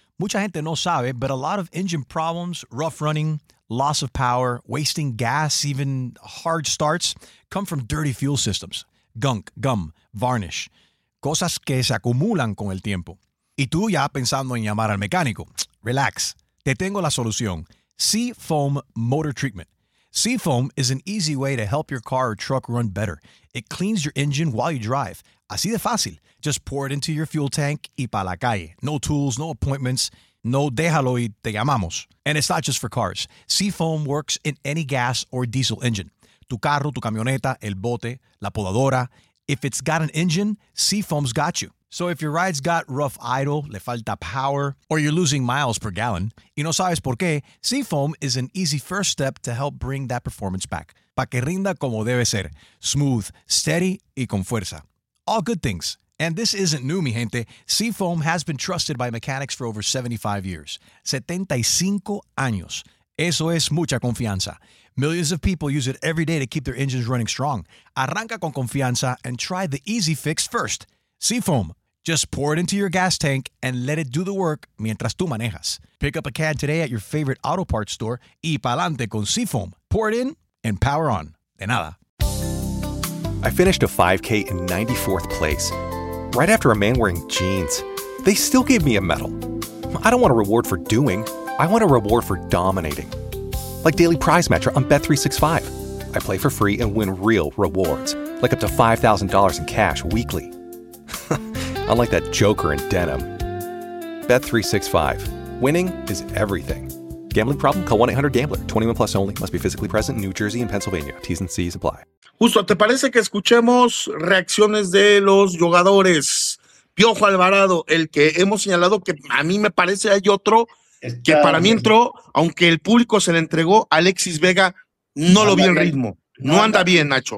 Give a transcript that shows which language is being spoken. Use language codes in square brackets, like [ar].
[es] Mucha gente no sabe, [en] but a lot of engine problems, rough running, loss of power, wasting gas, even hard starts, come from dirty fuel systems. Gunk, gum, varnish. [es] Cosas que se acumulan con el tiempo. Y tú ya pensando en llamar al mecánico. Relax. Te tengo la solución. Seafoam Motor Treatment. [en] Seafoam is an easy way to help your car or truck run better. It cleans your engine while you drive. [es] Así de fácil. [en] Just pour it into your fuel tank [es] y pa' la calle. [en] No tools, no appointments. [es] No déjalo y te llamamos. [en] And it's not just for cars. Seafoam works in any gas or diesel engine. [es] Tu carro, tu camioneta, el bote, la podadora. [en] If it's got an engine, Seafoam's got you. So if your ride's got rough idle, [es] le falta [en] power, or you're losing miles per gallon, [es] y no sabes por qué, [en] Seafoam is an easy first step to help bring that performance back. [es] Pa' que rinda como debe ser. [en] Smooth, steady, [es] y con fuerza. [en] All good things. And this isn't new, [es] mi gente. [en] Seafoam has been trusted by mechanics for over 75 years. [es] 75 años. Eso es mucha confianza. [en] Millions of people use it every day to keep their engines running strong. [es] Arranca con confianza [en] and try the easy fix first. Seafoam. Just pour it into your gas tank and let it do the work [es] mientras tú manejas. [en] Pick up a can today at your favorite auto parts store [es] y pa'lante [en] con Seafoam. Pour it in and power on. [es] De nada. [en] I finished a 5K in 94th place. Right after a man wearing jeans. They still gave me a medal. I don't want a reward for doing. I want a reward for dominating. Like Daily Prize Matcher on Bet365. I play for free and win real rewards. Like up to $5,000 in cash weekly. Unlike that joker in denim. Bet365. Winning is everything. Gambling problem? Call 1-800-GAMBLER. 21 plus only. Must be physically present in New Jersey and Pennsylvania. T's and C's apply. [es] Justo, ¿te parece que escuchemos reacciones de los jugadores? Piojo Alvarado, el que hemos señalado que a mí me parece hay otro que para mí entró, aunque el público se le entregó, Alexis Vega, no lo vi en ritmo. No anda bien, Nacho.